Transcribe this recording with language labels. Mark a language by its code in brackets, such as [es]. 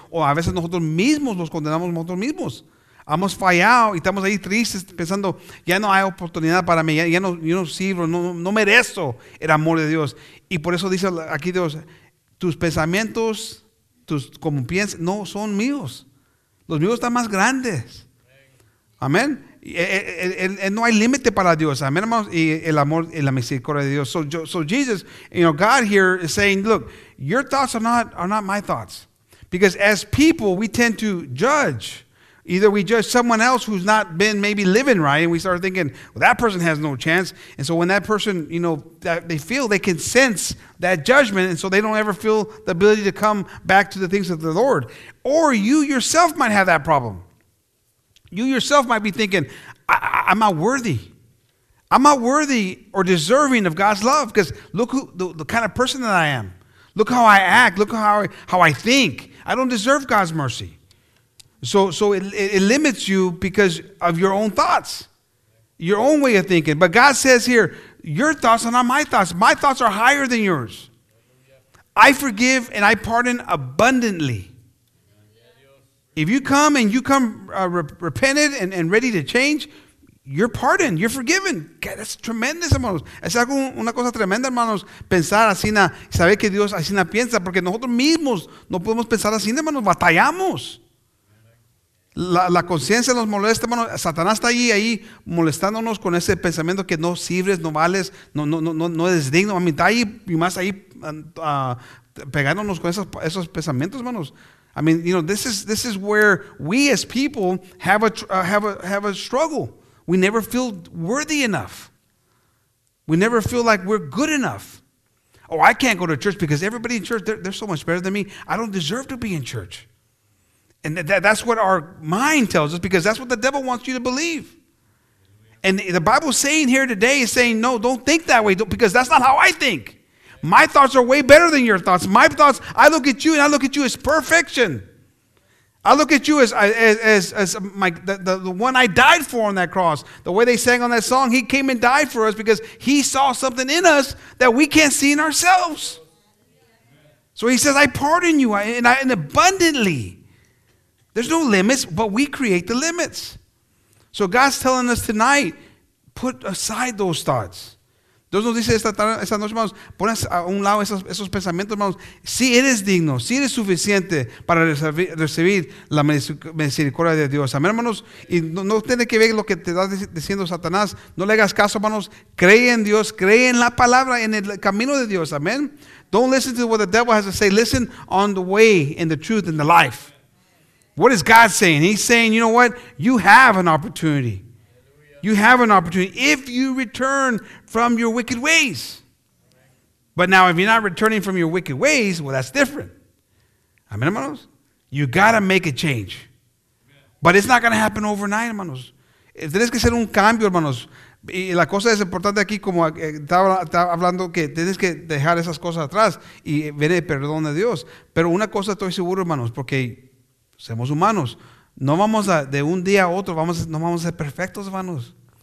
[es] O a veces nosotros mismos los condenamos nosotros mismos. Hemos fallado y estamos ahí tristes pensando, ya no hay oportunidad para mí, ya no, yo no sirvo, no merezco el amor de Dios. Y por eso dice aquí Dios, tus pensamientos, como piensas, no son míos. Los míos están más grandes. Amén. No hay límite para Dios. Amén, hermanos. Y el amor y la misericordia de Dios. [en] So Jesus, you know, God here is saying, look, your thoughts are not my thoughts. Because as people, we tend to judge. Either we judge someone else who's not been maybe living right, and we start thinking, well, that person has no chance. And so when that person, you know, that they feel they can sense that judgment, and so they don't ever feel the ability to come back to the things of the Lord. Or you yourself might have that problem. You yourself might be thinking, I'm not worthy. I'm not worthy or deserving of God's love because look who the kind of person that I am. Look how I act. Look how I think. I don't deserve God's mercy. So it limits you because of your own thoughts, your own way of thinking. But God says here, your thoughts are not my thoughts. My thoughts are higher than yours. I forgive and I pardon abundantly. If you come and you come repented and ready to change, you're pardoned, you're forgiven. God, that's tremendous, hermanos. [es] Es algo, una cosa tremenda, hermanos, pensar así, saber que Dios así piensa, porque nosotros mismos no podemos pensar así, hermanos, batallamos. La conciencia nos molesta, hermano. Satanás está ahí molestándonos con ese pensamiento que no sirves, no vales, no eres digno. A mí está ahí y más ahí pegándonos con esos pensamientos, hermanos. [en] I mean, you know, this is where we as people have a struggle. We never feel worthy enough. We never feel like we're good enough. Oh, I can't go to church because everybody in church, they're so much better than me. I don't deserve to be in church. And that's what our mind tells us because that's what the devil wants you to believe. And the Bible's saying here today is saying, no, don't think that way because that's not how I think. My thoughts are way better than your thoughts. My thoughts, I look at you and I look at you as perfection. I look at you as the one I died for on that cross. The way they sang on that song, he came and died for us because he saw something in us that we can't see in ourselves. So he says, I pardon you and abundantly. There's no limits, but we create the limits. So God's telling us tonight, put aside those thoughts. [es] Dios nos dice esta tarde, esta noche, hermanos, pon a un lado esos, esos pensamientos, hermanos. Si eres digno, si eres suficiente para recibir la misericordia de Dios. Amén, hermanos. Y no, no tiene que ver lo que te está diciendo Satanás. No le hagas caso, hermanos. Cree en Dios. Cree en la palabra, en el camino de Dios. Amén. [en] Don't listen to what the devil has to say. Listen on the way, in the truth, in the life. What is God saying? He's saying, you know what? You have an opportunity. You have an opportunity if you return from your wicked ways. But now, if you're not returning from your wicked ways, well, that's different. Amen, hermanos? You got to make a change. But it's not going to happen overnight, hermanos. [es] Tienes que hacer un cambio, hermanos. Y la cosa es importante aquí, como estaba hablando, que tienes que dejar esas cosas atrás y ver el perdón de Dios. Pero una cosa estoy seguro, hermanos, porque somos humanos. No vamos a, de un día a otro, vamos, no vamos a ser perfectos, hermanos.